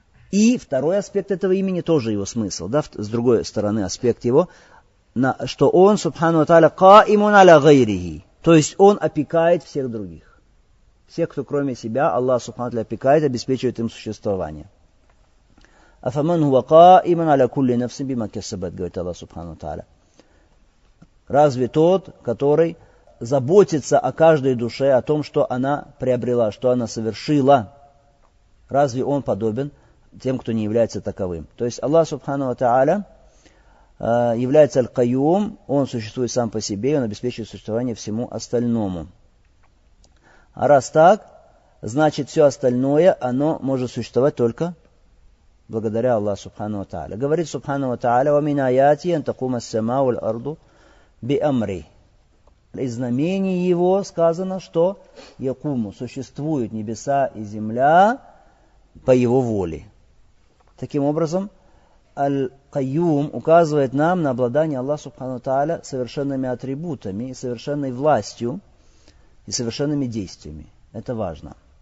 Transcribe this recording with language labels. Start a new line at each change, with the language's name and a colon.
Russian: И второй аспект этого имени тоже его смысл, да, с другой стороны аспект его, что он, Субхану Тааля,
Arabic: каимун аля гайрихи,
Russian: то есть он опекает всех других. Всех, кто кроме себя, Аллах Субхану Тааля опекает, обеспечивает им существование.
Arabic: أَفَمَنْ هُوَ قَائِمًا عَلَى كُلِّ نَفْسٍ بِمَا كَسَبَتْ
Russian: говорит Аллах Субхану Тааля. Разве тот, который заботится о каждой душе, о том, что она приобрела, что она совершила, разве он подобен тем, кто не является таковым? То есть Аллах Субхану Тааля является Аль-Кайюм, он существует сам по себе, он обеспечивает существование всему остальному. А раз так, значит все остальное, оно может существовать только благодаря Аллаху Субхану Тааля. Говорит Субхану Тааля,
Arabic: وَمِنْ آيَاتِهِ أَنْ تَقُومَ السَّمَاءُ وَالْأَرْضُ بِأَمْرِهِ.
Russian: Из знамений его сказано, что يَقُومُ, существуют небеса и земля по его воле. Таким образом, Аль-Кайюм указывает нам на обладание Аллаха Субхану Тааля совершенными атрибутами, совершенной властью и совершенными действиями. Это важно.